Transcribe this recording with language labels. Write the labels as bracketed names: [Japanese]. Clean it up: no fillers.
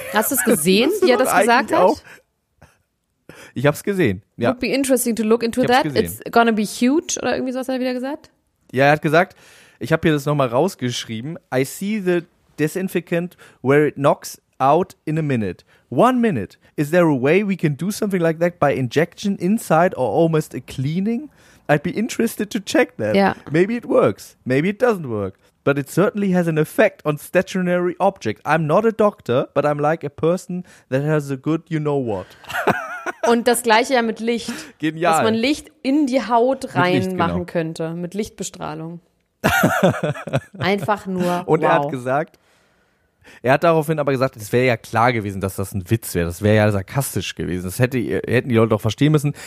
[German] Hast du es gesehen, wie er das gesagt hat? Auch, ich hab's gesehen, ja. [English] Would be interesting to look into that, it's gonna be huge, [German] oder irgendwie sowas hat er wieder gesagt? Ja, er hat gesagt, ich habe hier das nochmal rausgeschrieben, [English] I see the disinfectant where it knocks out in a minute. 1 minute. Is there a way we can do something like that by injection inside or almost a cleaning? I'd be interested to check that. Yeah. Maybe it works. Maybe it doesn't work. But it certainly has an effect on stationary objects. I'm not a doctor, but I'm like a person that has a good you know what. [German] Und das gleiche ja mit Licht. Genial. Dass man Licht in die Haut reinmachen könnte. Mit Lichtbestrahlung. Einfach nur und wow. Er hat gesagt, er hat daraufhin aber gesagt, es wäre ja klar gewesen, dass das ein Witz wäre. Das wäre ja sarkastisch gewesen. Das hätten die Leute auch verstehen müssen.